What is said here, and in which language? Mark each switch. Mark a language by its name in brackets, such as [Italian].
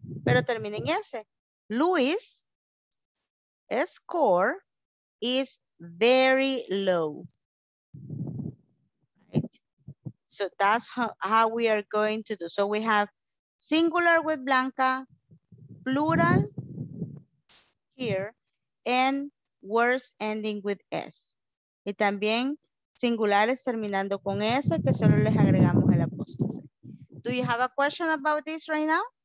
[Spanish] Pero termina en ese. [English] Louis score is very low, right? So that's how we are going to do. So we have singular with Blanca, plural here, and words ending with S. [Spanish] Y también singulares terminando con S que solo les agregamos el apóstrofe. [English] Do you have a question about this right now?